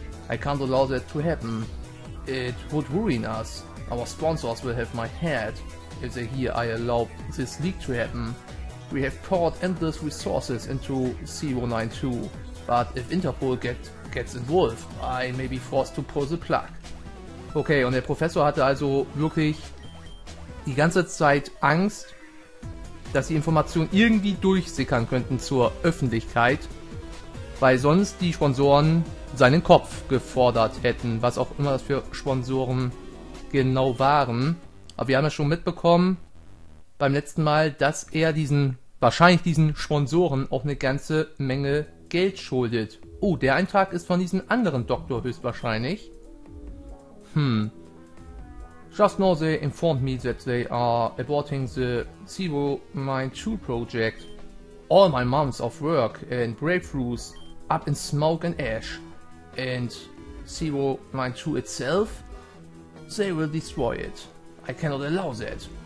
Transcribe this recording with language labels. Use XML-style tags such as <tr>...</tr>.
<de>I can't allow that to happen. It would ruin us. Our sponsors will have my head if they hear I allow this leak to happen. We have poured endless resources into C-092, but if Interpol gets involved, I may be forced to pull the plug.</de> <en>Okay, und der Professor hatte also wirklich die ganze Zeit Angst, dass die Informationen irgendwie durchsickern könnten zur Öffentlichkeit, weil sonst die Sponsoren seinen Kopf gefordert hätten, was auch immer das für Sponsoren genau waren. Aber wir haben ja schon mitbekommen beim letzten Mal, dass er wahrscheinlich diesen Sponsoren auch eine ganze Menge Geld schuldet. Oh, der Eintrag ist von diesem anderen Doktor höchstwahrscheinlich. Just now they informed me that they are aborting the 092 project. All my months of work and breakthroughs up in smoke and ash. And 092 itself? They will destroy it. I cannot allow that.</en>